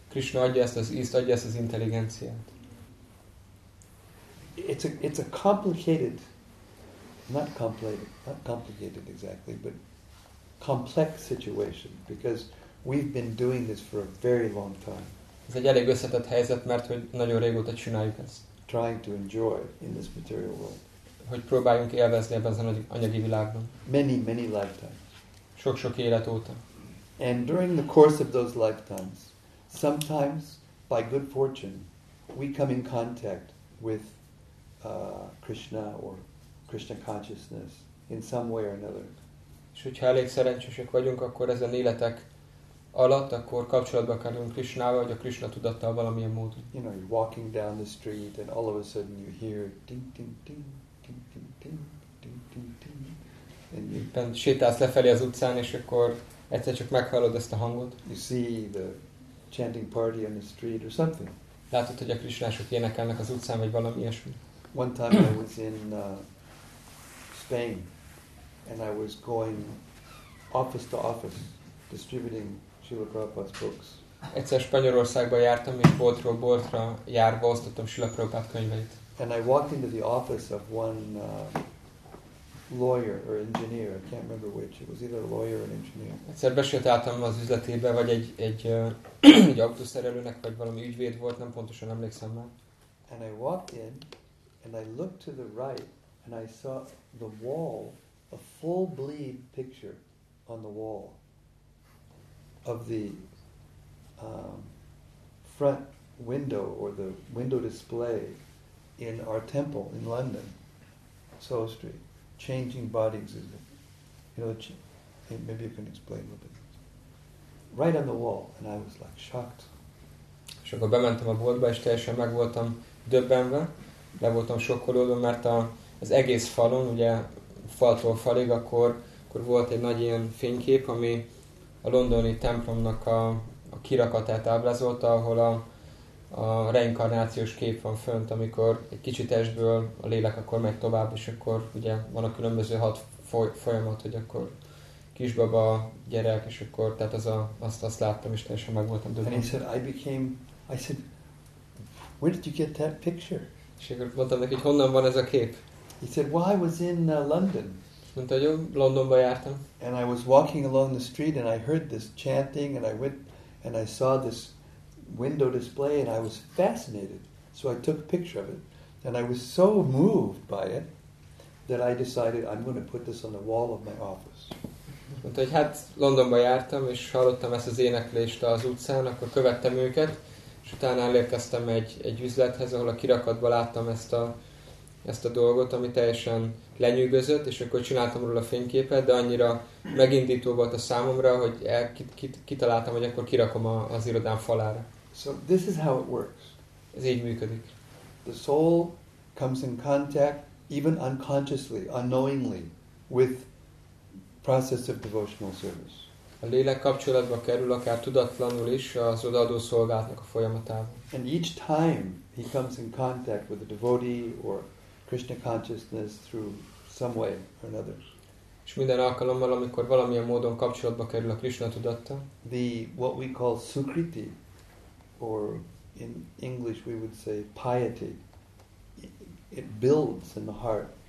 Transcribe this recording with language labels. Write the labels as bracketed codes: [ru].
[hu] Krishna adja ezt az ízt, adja ezt az intelligenciát. [en] It's a complicated. Not complicated exactly, but complex situation, because we've been doing this for a very long time. [hu] Ez egy elég összetett helyzet, mert hogy nagyon régóta csináljuk ezt. [en] Trying to enjoy in this material world. [hu] Hogy próbáljunk élvezni ebben az anyagi világban. [en] Many, many lifetimes. [hu] Sok-sok élet óta. [en] And during the course of those lifetimes, sometimes, by good fortune, we come in contact with Krishna or Krishna consciousness in some way or another. [hu] És hogyha elég szerencsések vagyunk, akkor ezen életek alatt, akkor kapcsolatba kerülünk Krishnával, vagy a Krishna tudattal valamilyen módon. [en] You know, you're walking down the street and all of a sudden you hear ding ding ding ding ding ding ding ding ding. And you [hu] éppen sétálsz lefelé az utcán, és akkor egyszer csak meghallod ezt a hangot. [en] You see the chanting party on the street or something. [hu] Látod, hogy a Krishnások énekelnek az utcán, vagy valami ilyesmi. [en] One time I was in Spain, and I was going office to office distributing Srila Prabhupada's books. [hu] Egyszer Spanyolországba jártam, és boltról boltra járva osztottam Srila Prabhupada könyveit. [en] And I walked into the office of one lawyer or engineer, I can't remember which, it was either a lawyer or an engineer. [hu] Egyszer besétáltam az üzletébe, vagy egy autószerelőnek, vagy valami ügyvéd volt, nem pontosan emlékszem már. [en] And I walked in, and I looked to the right, and I saw the wall, a full bleed picture on the wall of the front window or the window display in our temple in London, Soho Street, changing bodies. Is it? You know, maybe you can explain a little bit. Right on the wall, and I was like shocked. [hu] És akkor bementem a boltba, és teljesen meg voltam döbbenve, le voltam sokkolódva, mert az egész falon, ugye faltól falig, akkor volt egy nagy ilyen fénykép, ami a londoni templomnak a kirakatát ábrázolta, ahol a reinkarnációs kép van fönt, amikor egy kicsi testből a lélek akkor megy tovább, és akkor ugye van a különböző hat folyamat, hogy akkor kisbaba gyerek, és akkor tehát az a, azt láttam, és teljesen meg voltam döbbenve. [en] And he said, I said, where did you get that picture? [hu] És akkor mondtam neki, hogy honnan van ez a kép? [en] He said, well, I was in London. [hu] Mondta, hogy Londonba jártam. [en] And I was walking along the street, and I heard this chanting, and I went, and I saw this window display, and I was fascinated. So I took a picture of it, and I was so moved by it that I decided I'm going to put this on the wall of my office. [hu] Mondta, hogy hát Londonba jártam, és hallottam ezt az éneklést az utcán, akkor követtem őket, és utána elérkeztem egy üzlethez, ahol a kirakatban láttam ezt a dolgot, ami teljesen lenyűgözött, és akkor csináltam róla a fényképet, de annyira megindító volt a számomra, hogy kitaláltam, hogy akkor kirakom az irodám falára. [en] So this is how it works. [hu] Ez így működik. [en] The soul comes in contact, even unconsciously, unknowingly, with process of devotional service. [hu] A lélek kapcsolatba kerül, akár tudatlanul is, az odaadó szolgálatnak a folyamatában. [en] And each time he comes in contact with a devotee or Krishna consciousness through some way or another. [hu] És minden alkalommal, amikor valamilyen módon kapcsolatba kerül a Krishna tudatta, [en] the what we call sukriti, or in English we would say piety, it builds in the heart.